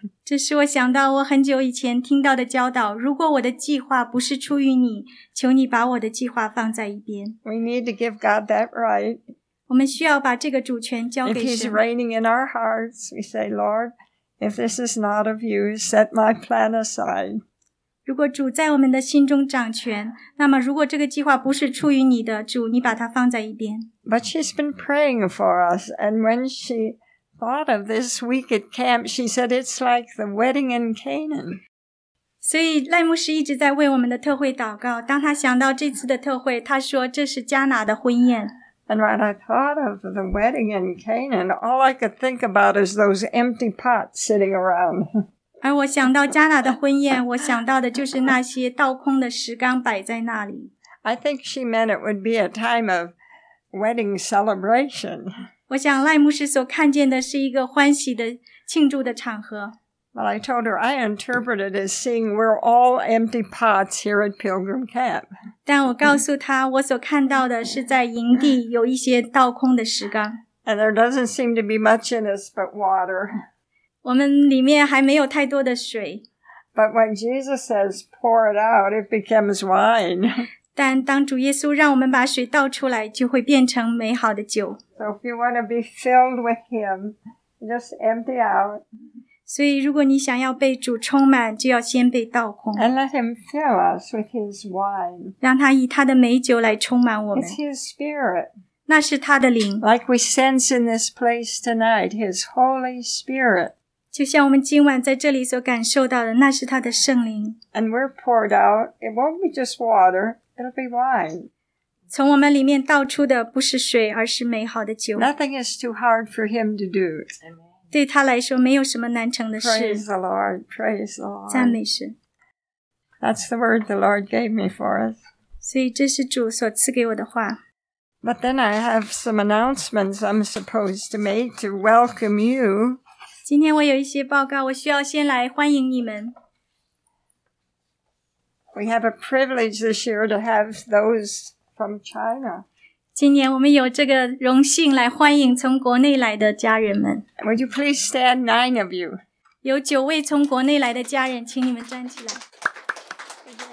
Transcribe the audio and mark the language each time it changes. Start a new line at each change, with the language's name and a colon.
Chinese: 这是我想到我很久以前听到的教导如果我的计划不是出于你求你把我的计划放在一边。
English: We need to give God that right.
Chinese: 我们需要把这个主权交给神。
English: If he's reigning in our hearts, we say, Lord, if this is not of you, set my plan aside.
Chinese: 如果主在我们的心中掌权，那么如果这个计划不是出于你的，主，你把它放在一边。
English: But she's been praying for us, and when she thought of this week at camp, she said, it's like the wedding in Canaan.
Chinese: 所以赖牧师一直在为我们的特会祷告。当他想到这次的特会，他说这是迦拿的婚宴。
English: And when I thought of the wedding in Canaan, all I could think about is those empty pots sitting around.
Chinese: 而我想到迦拿的婚宴，我想到的就是那些倒空的石缸摆在那里。
English: I think she meant it would be a time of wedding celebration.
Chinese: 我想赖牧师所看见的是一个欢喜的庆祝的场合。
English: But I told her I interpreted as seeing we're all empty pots here at Pilgrim Camp.
Chinese: 但我告诉她，我所看到的是在营地有一些倒空的石缸。
English: And there doesn't seem to be much in us but water.
Chinese: 我们里面还没有太多的水。
English: But when Jesus says pour it out, it becomes wine.
Chinese: 但当主耶稣让我们把水倒出来，就会变成美好的酒。
English: So if you want to be filled with Him, just empty out.
Chinese: 所以如果你想要被主充满，就要先被倒空。
English: And let him fill us with his wine.
Chinese: 让他以他的美酒来充满我们。
English: It's his spirit.
Chinese: 那是他的灵。
English: Like we sense in this place tonight, his Holy Spirit.
Chinese: 就像我们今晚在这里所感受到的，那是他的圣灵。
English: And we're poured out, it won't be just water, it'll be wine.
Chinese: 从我们里面倒出的不是水，而是美好的酒。
English: Nothing is too hard for him to do.
Chinese: 对他来说，没有什么难成的事。
English: Praise the Lord, praise the Lord.
Chinese: 赞美神。
English: That's the word the Lord gave me for us.
Chinese: 所以这是主所赐给我的话。
English: But then I have some announcements I'm supposed to make to welcome you.
Chinese: 今天我有一些报告，我需要先来欢迎你们。
English: We have a privilege this year to have those. From China.
Chinese: 今年我们有这个荣幸来欢迎从国内来的家人们。
English: Would you please stand, nine of you?
Chinese: 有九位从国内来的家人，请你们站起来。